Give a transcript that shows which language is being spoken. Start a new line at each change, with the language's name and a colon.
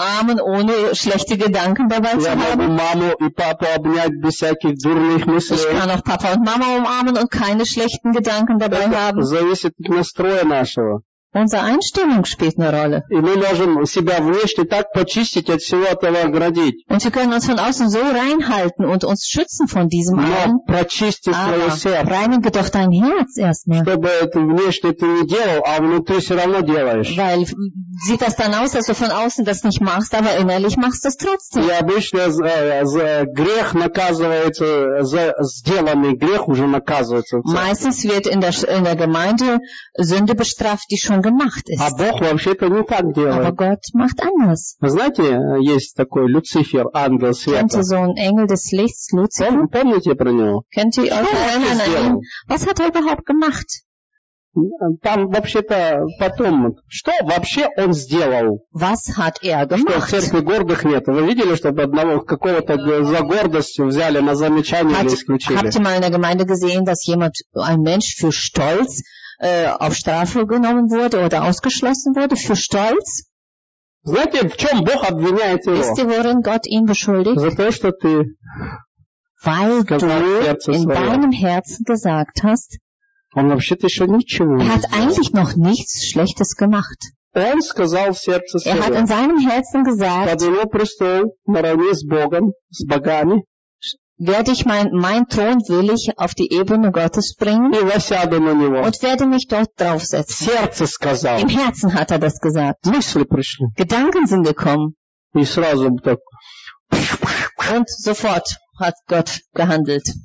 Russian: Я могу маму и папу обнять без всяких дурных мыслей. Зависит от настроя нашего.
German: Unsere Einstimmung spielt eine Rolle. Und wir können uns von außen so reinhalten und uns schützen von diesem Arm. Aber reinige doch dein Herz erstmal. Weil sieht das dann aus, dass du von außen das nicht machst, aber innerlich machst du es trotzdem.
Russian: Ja, обычно за грех наказывается, за сделанный грех уже наказывается.
German: Meistens wird in der Gemeinde Sünde bestraft, die schon gemacht ist. Aber
Russian: Gott вообще-то не так делает.
German: Aber Gott macht anders.
Russian: Знаете, есть такой Люцифер, ангел света.
German: Kennt ihr so einen Engel des Lichts, Luzifer?
Russian: Помните про него?
German: Kennt ihr auch einen? Was hat er überhaupt gemacht?
Russian: Там вообще-то потом, что вообще он сделал?
German: Was hat er gemacht?
Russian: Что в церкви гордых нет? Вы видели, чтобы одного какого-то за гордость взяли на замечание или исключили?
German: Habt ihr mal in der Gemeinde gesehen, dass jemand, ein Mensch für Stolz auf Strafe genommen wurde oder ausgeschlossen wurde für Stolz?
Russian: Знаете, в чем Бог обвиняет его?
German: Wisst ihr, worin Gott ihn beschuldigt?
Russian: За то, что ты
German: Weil
Russian: сказал
German: du
Russian: в сердце
German: in
Russian: свое.
German: Deinem Herzen gesagt hast,
Russian: он вообще-то еще ничего не сделал.
German: Er hat eigentlich noch nichts Schlechtes gemacht.
Russian: Он сказал в сердце свое.
German: Er hat in seinem Herzen gesagt,
Russian: под его престол, наравне с Богом, с богами,
German: werde ich mein Thron willig auf die Ebene Gottes bringen und werde mich dort draufsetzen. Im Herzen hat er das gesagt. Gedanken sind gekommen. Und sofort hat Gott gehandelt.